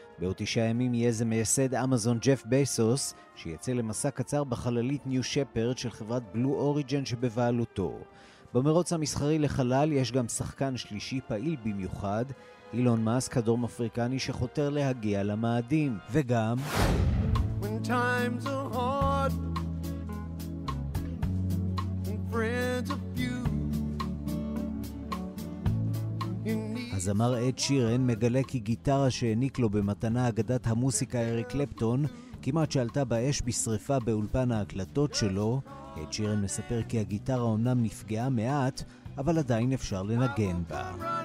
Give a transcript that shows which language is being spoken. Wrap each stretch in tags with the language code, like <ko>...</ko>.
<he>בעוד 9 ימים יהיה זה מייסד אמזון ג'ף בייסוס, שיצא למסע קצר בחללית ניו שפרד של חברת בלו אוריג'ן שבבעלותו. במרוץ המסחרי לחלל יש גם שחקן שלישי פעיל במיוחד, אילון מאסק, הדרום אפריקני שחותר להגיע למאדים. וגם</he> <en>When times are hard and friends are few,</en> <he>הזמר אד שירן מגלה כי גיטרה שהעניק לו במתנה אגדת המוסיקה אריק קלפטון כמעט שעלתה באש בשריפה באולפן ההקלטות שלו. אד שירן מספר כי הגיטרה אומנם נפגעה מעט, אבל עדיין אפשר לנגן בה.</he>